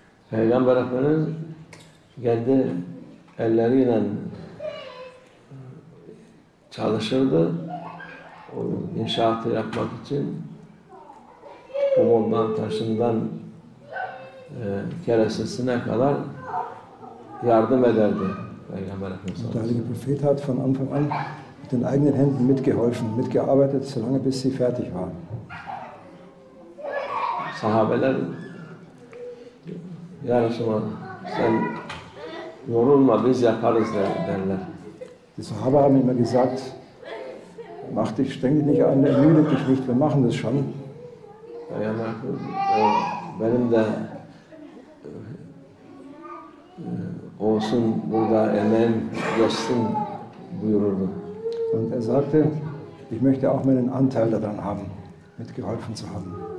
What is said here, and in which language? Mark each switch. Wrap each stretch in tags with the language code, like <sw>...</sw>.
<tr>Peygamber Efendimiz kendi elleriyle çalışırdı o inşaatı yapmak için. Kumundan, taşından keresesine kadar yardım ederdi Peygamber Efendimiz.</tr> <de>Der Heilige Prophet hat von Anfang an mit den eigenen Händen mitgeholfen, mitgearbeitet, solange bis sie fertig war.</de> <tr>Sahabeler ya Resulallah sen yorulma biz yaparız derler.</tr> <de>Die Sahaba haben immer gesagt, mach dich, streng dich nicht an, ermüde dich nicht, wir machen das schon. Ja,</de> <tr>benim de olsun burada emeğim geçsin buyururdu.</tr> <de>Und er sagte, ich möchte auch meinen Anteil daran haben, mitgeholfen zu haben.</de>